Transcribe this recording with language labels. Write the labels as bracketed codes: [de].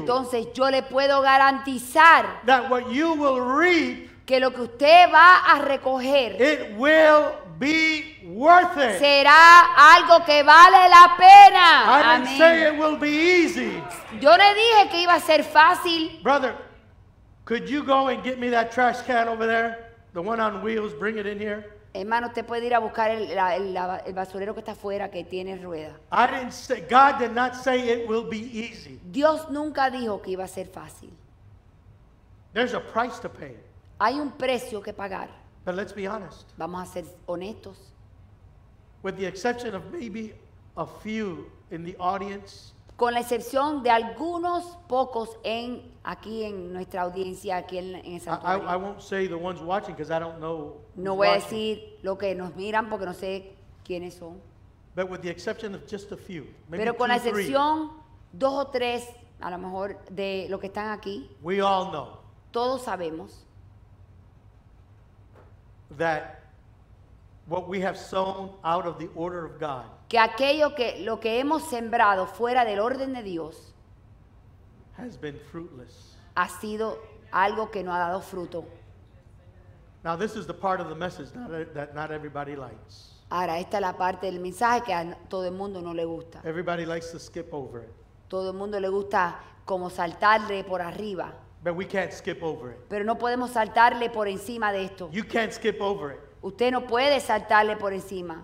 [es] entonces yo le puedo garantizar, [en] that what you will reap, [es] que lo que usted va a recoger, [en] it will be worth it. [es] Será algo que vale la pena. [en] I didn't say it will be easy. [es] Yo le dije que iba a ser fácil. [en] Brother, could you go and get me that trash can over there? The one on wheels, bring it in here. [es] Hermano, usted puede ir a buscar el basurero que está afuera, que tiene rueda. [en] I didn't say, God did not say it will be easy. [es] Dios nunca dijo que iba a ser fácil. [en] There's a price to pay. [es] Hay un precio que pagar. [en] But let's be honest. [es] Vamos a ser honestos. [en] With the exception of maybe a few in the audience. [es] Con la excepción de algunos pocos en aquí en nuestra audiencia aquí en el santuario. [en] I won't say the ones watching because I don't know. [es] No voy a decir lo que nos miran porque no sé quiénes son. [en] But with the exception of just a few, maybe [es] pero con la excepción [en] three, [es] dos o tres a lo mejor de los que están aquí. [en] We all know. [es] Todos sabemos. [en] That what we have sown out of the order of God. [es] Que aquello que lo que hemos sembrado fuera del orden de Dios [en] has been fruitless. [es] Ha sido algo que no ha dado fruto. [en] Now this is the part of the message that not everybody likes. [es] Ahora esta es la parte del mensaje que a todo el mundo no le gusta. [en] Everybody likes to skip over it. [es] Todo el mundo le gusta como saltarle por arriba. [en] But we can't skip over it. [es] Pero no podemos saltarle por encima de esto. [en] You can't skip over it. [es] Usted no puede saltarle por encima.